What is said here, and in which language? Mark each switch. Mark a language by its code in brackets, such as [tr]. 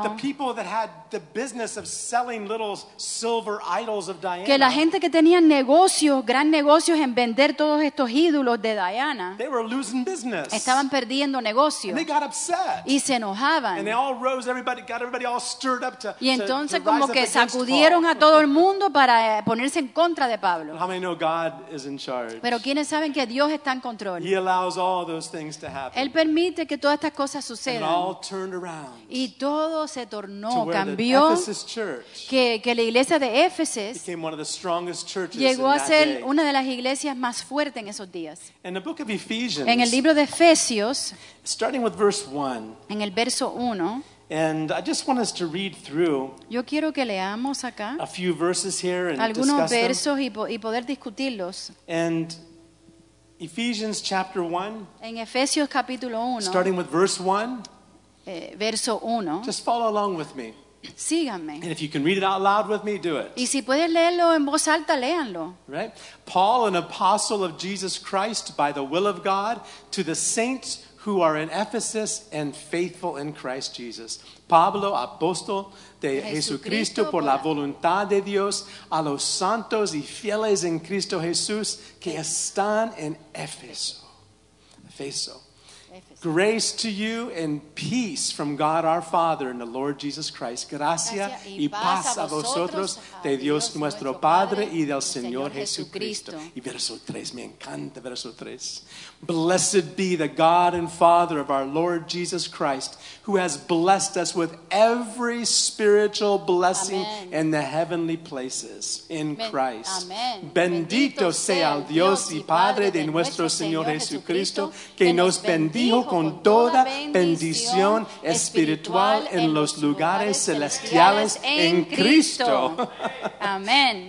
[en] that the people that had the business of selling little silver idols of Diana, [es] que la gente que tenía negocios, gran negocios en vender todos estos ídolos de Diana, [en] they were losing business. [es] Estaban perdiendo negocio. [en] And they got upset. [es] Y se enojaban. [en] And they all rose, everybody got everybody all stirred up to [es] y entonces [en] to rise [es] como que sacudieron a todo el mundo para ponerse en contra de Pablo. [en] How many know God is in charge? [es] Pero ¿quiénes saben que Dios está en control? [en] He allows all those things to happen. [es] Él permite que todas estas cosas sucedan. [en] And all turned around. [es] Y todo se tornó, [en] to where [es] cambió. [en] The Ephesus church [es] que la iglesia de Éfeso [en] became one of the strongest churches [es] llegó [en] in [es] a ser [en] that day. [es] Una de las iglesias más fuertes en esos días. [en] And the book of Ephesians, [es] en el libro de Efesios, [en] starting with verse 1, [es] en el verso 1, [en] and I just want us to read through, [es] yo quiero que leamos acá [en] a few verses here and [es] algunos [en] discuss [es] versos [en] them. [es] Y poder discutirlos. [en] And Ephesians chapter 1, [es] en Efesios capítulo 1, [en] starting with verse 1, [es] verso 1, [en] just follow along with me. [es] Síganme. [en] And if you can read it out loud with me, do it. [es] Y si puedes leerlo en voz alta, léanlo. [en] Right? Paul, an apostle of Jesus Christ by the will of God, to the saints who are in Ephesus and faithful in Christ Jesus. [es] Pablo, apóstol de Jesucristo por la voluntad de Dios, a los santos y fieles en Cristo Jesús que están en Éfeso. Éfeso. [en] Grace to you and peace from God our Father and the Lord Jesus Christ. [es] Gracia y paz a vosotros de Dios nuestro Padre y del Señor Jesucristo. Y verso 3, me encanta verso 3. [en] Blessed be the God and Father of our Lord Jesus Christ, who has blessed us with every spiritual blessing Amen. In the heavenly places in Christ. Amen. [es] Bendito sea el Dios y Padre de nuestro Señor Jesucristo, que nos bendijo con toda bendición espiritual en los lugares celestiales en Cristo. Amen.